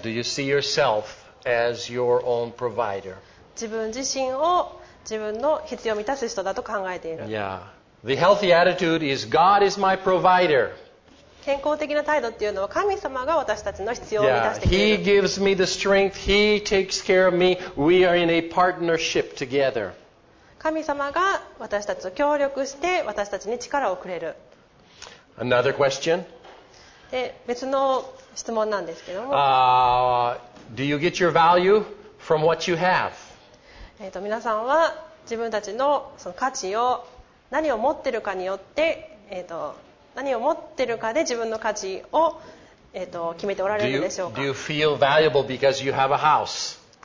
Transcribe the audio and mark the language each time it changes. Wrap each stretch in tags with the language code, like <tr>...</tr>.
<en>Yeah, do you see yourself as your own provider?</en> <ja>自分自身を自分の必要を満たす人だと考えている。</ja> <en>Yeah. The healthy attitude is God is my provider.</en> <ja>健康的な態度っていうのは神様が私たちの必要を満たしてくれる。</ja> <en>Yeah, He gives me the strength. He takes care of me. We are in a partnership together.</en> <ja>神様が私たちと協力して私たちに力をくれる。</ja> <en>Another question.</en> <ja>で、別の質問なんですけども。</ja> <en>Do you get your value from what you have?</en> <ja>皆さんは自分たちの その価値を何を持ってるかによって、何を持ってるかで自分の価値を、決めておられるでしょうか。</ja> <en>Do you feel valuable because you have a house?</en>